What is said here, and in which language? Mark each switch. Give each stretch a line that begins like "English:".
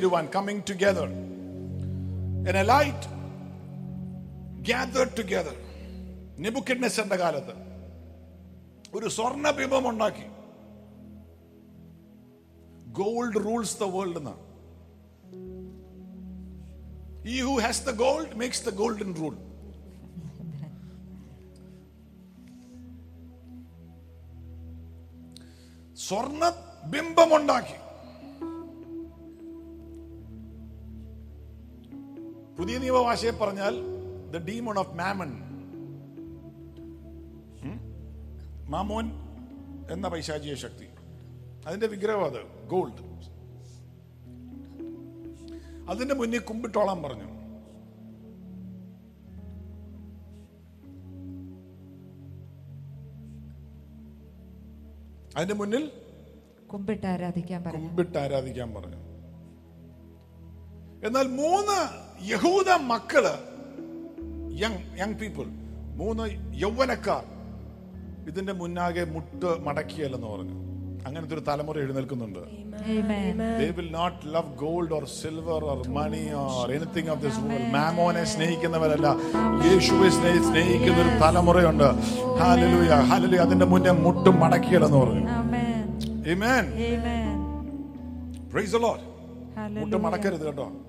English: coming together in a light gathered together.
Malayalam: നെബുക്കദ്നേസറിന്റെ കാലത്ത് ഒരു സ്വർണബിംബം ഉണ്ടാക്കി,
English: gold rules the world
Malayalam: എന്ന്.
English: He who has the gold makes the golden rule.
Malayalam: സ്വർണ ബിംബം ഉണ്ടാക്കി. പുതിയ നിയമ ഭാഷയെ പറഞ്ഞാൽ
English: the demon of mammon.
Malayalam: Mammon എന്ന പൈശാചിക ശക്തി, അതിന്റെ വിഗ്രഹം അത് ഗോൾഡ്. അതിന്റെ മുന്നിൽ കുമ്പിട്ടോളാൻ പറഞ്ഞു. അതിന്റെ മുന്നിൽ കുമ്പിട്ട് ആരാധിക്കാൻ പറഞ്ഞു. എന്നാൽ മൂന്ന് യഹൂദ മക്കള്,
English: young people,
Malayalam: മൂന്ന് യൗവനക്കാർ ഇതിന്റെ മുന്നാകെ മുട്ട് മടക്കിയല്ലെന്ന് പറഞ്ഞു. അങ്ങനത്തെ ഒരു തലമുറ എഴുന്നേൽക്കുന്നുണ്ട്.
English: They will not love gold or silver or money or anything of this world.
Malayalam: മാമോനെ സ്നേഹിക്കുന്നവരല്ല, യേശുവെ സ്നേഹിക്കുന്ന ഒരു തലമുറയുണ്ട്. Hallelujah, hallelujah. അതിന്റെ മുന്നേ മുട്ടും മടക്കിയല്ലെന്ന് പറഞ്ഞു. ആമേൻ.
English: Praise the Lord.
Malayalam: മുട്ടും മടക്കരുത് കേട്ടോ.